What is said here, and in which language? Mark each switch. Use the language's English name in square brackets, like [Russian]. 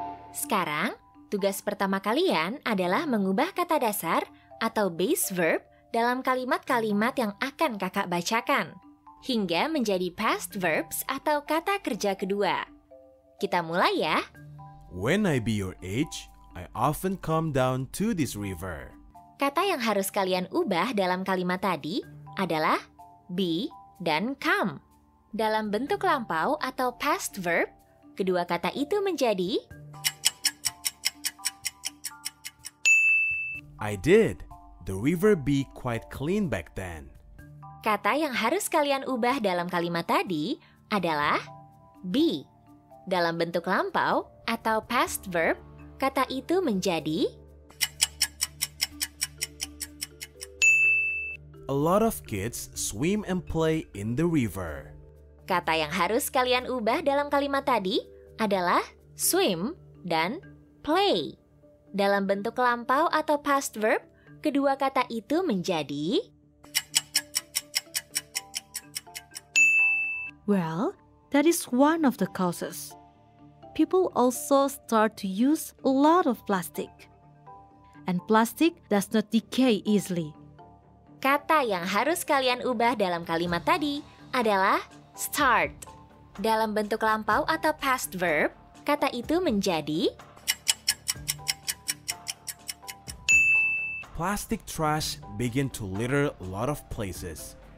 [Indonesian] Sekarang, tugas pertama kalian adalah mengubah kata dasar atau base verb dalam kalimat-kalimat yang akan kakak bacakan, hingga menjadi past verbs atau kata kerja kedua. Kita mulai ya. [English] When I be your age, I often come down to this river. [Indonesian] Kata yang harus kalian ubah dalam kalimat tadi adalah be dan come. Dalam bentuk lampau atau past verb, kedua kata itu menjadi [English] I did. The river be quite clean back then. [Indonesian] Kata yang harus kalian ubah dalam kalimat tadi adalah be. Dalam bentuk lampau atau past verb, kata itu menjadi [English] A lot of kids swim and play in the river. [Indonesian] Kata yang harus kalian ubah dalam kalimat tadi adalah swim dan play. Dalam bentuk lampau atau past verb, kedua kata itu menjadi [English] Well, that is one of the causes. People also start to use a lot of plastic. And plastic does not decay easily. [Indonesian] Kata yang harus kalian ubah dalam kalimat tadi adalah start. Dalam bentuk lampau atau past verb, kata itu menjadi [English] Plastic trash begin to litter a lot of places.